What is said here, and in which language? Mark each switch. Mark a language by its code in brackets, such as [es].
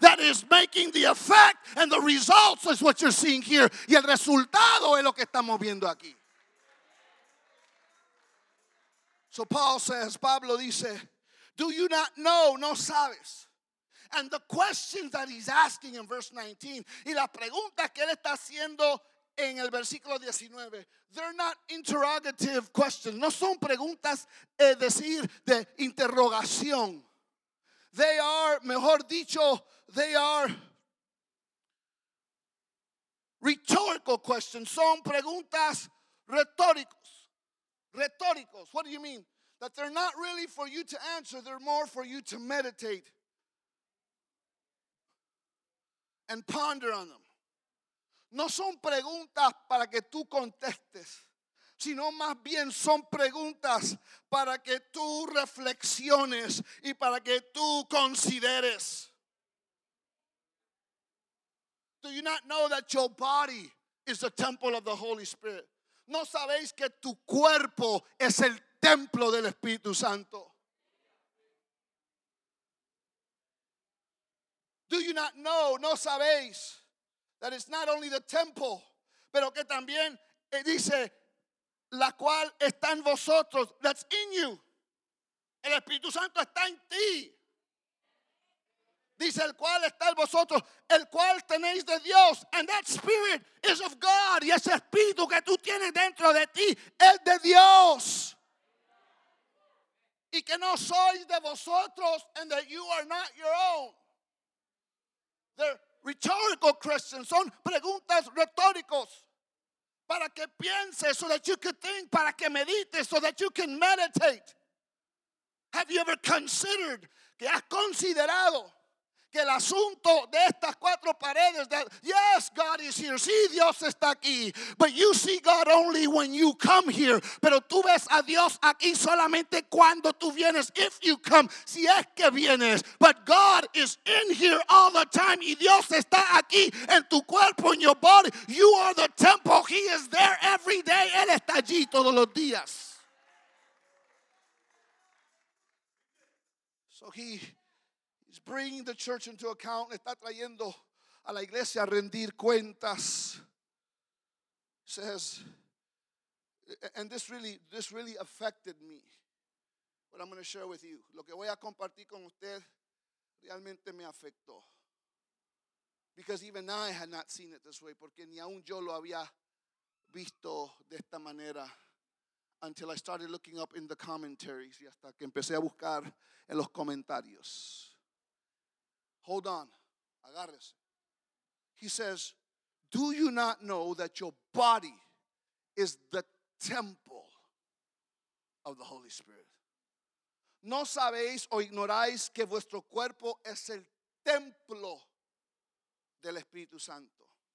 [en] That is making the effect and the results is what you're seeing here. [es] Y el resultado es lo que estamos viendo aquí. [en] So Paul says, [es] Pablo dice, [en] do you not know, [es] no sabes? [en] And the questions that he's asking in verse 19, [es] y las preguntas que él está haciendo en el versículo 19, [en] they're not interrogative questions. [es] No son preguntas, decir, de interrogación. [en] They are, [es] mejor dicho, [en] they are rhetorical questions. [es] Son preguntas retóricos. Retóricos. [en] What do you mean? That they're not really for you to answer. They're more for you to meditate and ponder on them. [es] No son preguntas para que tú contestes, sino más bien son preguntas para que tú reflexiones y para que tú consideres. [en] Do you not know that your body is the temple of the Holy Spirit? [es] No sabéis que tu cuerpo es el templo del Espíritu Santo. [en] Do you not know, [es] no sabéis, [en] that it's not only the temple, [es] pero que también dice, la cual está en vosotros, [en] that's in you. [es] El Espíritu Santo está en ti. Dice, el cual está en vosotros, el cual tenéis de Dios. [en] And that spirit is of God. [es] Y ese espíritu que tú tienes dentro de ti es de Dios. Y que no sois de vosotros, [en] and that you are not your own. They're rhetorical questions. [es] Son preguntas retóricos. Para que pienses, [en] so that you can think, [es] para que medites, [en] so that you can meditate. Have you ever considered, [es] que has considerado, que el asunto de estas cuatro paredes, [en] that yes, God is here. [es] Sí, Dios está aquí. [en] But you see God only when you come here. [es] Pero tú ves a Dios aquí solamente cuando tú vienes. [en] If you come, [es] si es que vienes. [en] But God is in here all the time. [es] Y Dios está aquí en tu cuerpo, [en] in your body. [es] You are the temple. [en] He is there every day. [es] Él está allí todos los días. [en] So he is bringing the church into account. [es] Está trayendo a la iglesia a rendir cuentas. [en] Says, and this really affected me. What I'm going to share with you. [es] Lo que voy a compartir con usted realmente me afectó. [en] Because even I had not seen it this way. [es] Porque ni aun yo lo había visto de esta manera. [en] Until I started looking up in the commentaries, [es] y hasta que empecé a buscar en los comentarios. [en] Hold on, [es] agárrese. [en] He says, do you not know that your body is the temple of the Holy Spirit? [es] ¿No sabéis o ignoráis que vuestro cuerpo es el templo del Espíritu Santo?